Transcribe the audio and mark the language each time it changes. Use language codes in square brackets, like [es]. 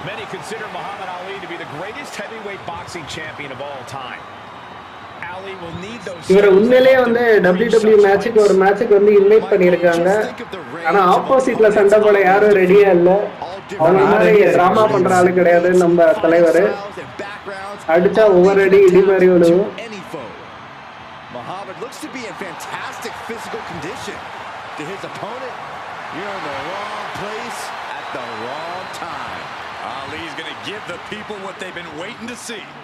[en] Consider Muhammad Ali to be the greatest heavyweight boxing champion of all time. Ali will need those. [ta] இவர உண்மையிலேயே வந்து WWE மேட்ச்க்கு ஒரு மேட்ச்க்கு வந்து invite பண்ணிருக்காங்க. ஆனா ஆப்போசிட்ல சண்டை போட யாரும் ரெடியா இல்ல. அவங்க மாதிரி டிராமா பண்ற ஆளு கிடையாது நம்ம தலைவர். அடிச்சா ஓவர் அடி இடி மாதிரி விழுவோம். [en] Muhammad looks to be in fantastic physical condition to his opponent. You're in the wrong place at the wrong time. Ali's going to give the people what they've been waiting to see.